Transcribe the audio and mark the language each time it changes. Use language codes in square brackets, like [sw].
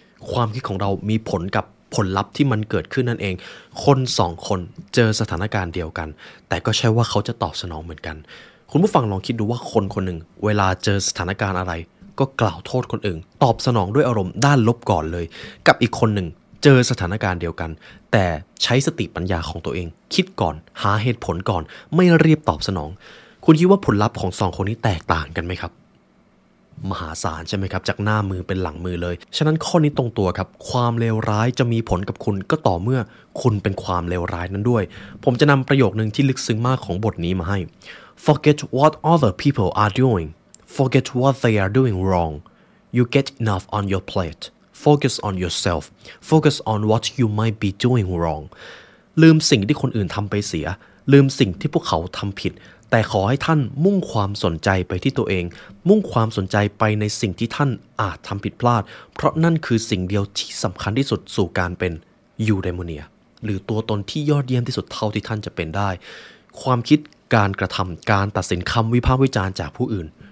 [th] ความคิดของเรามีผลกับผลลัพธ์ที่มันเกิดขึ้นนั่นเองคน2คนเจอสถานการณ์เดียวกันแต่ก็ใช่ว่าเขาจะตอบสนองเหมือนกันคุณผู้ฟังลองคิดดูว่าคนคนหนึ่งเวลาเจอสถานการณ์อะไรก็กล่าวโทษคนอื่นตอบสนองด้วยอารมณ์ด้านลบก่อนเลยกับอีกคนหนึ่งเจอสถานการณ์เดียวกันแต่ใช้สติปัญญาของตัวเองคิดก่อนหาเหตุผลก่อนไม่รีบตอบสนองคุณคิดว่าผลลัพธ์ของ2คนนี้แตกต่างกันมั้ยครับ มหาศาลใช่ไหมครับจากหน้ามือเป็นหลังมือเลยฉะนั้นข้อนี้ตรงตัวครับความเลวร้ายจะมีผลกับคุณก็ต่อเมื่อคุณเป็นความเลวร้ายนั้นด้วยผมจะนำประโยคนึงที่ลึกซึ้งมากของบทนี้มาให้ [en] Forget what other people are doing. Forget what they are doing wrong. You get enough on your plate. Focus on yourself. Focus on what you might be doing wrong. [th] ลืมสิ่งที่คนอื่นทำไปเสียลืมสิ่งที่พวกเขาทำผิดแต่ขอให้ท่านมุ่งความสนใจไปที่ตัวเองมุ่งความสนใจไปในสิ่งที่ท่านอาจทำผิดพลาดเพราะนั่นคือสิ่งเดียวที่สำคัญที่สุดสู่การเป็นยูไดโมเนียหรือตัวตนที่ยอดเยี่ยมที่สุดเท่าที่ท่านจะเป็นได้ความคิดการกระทำการตัดสินคำวิพากษ์วิจารณ์จากผู้อื่น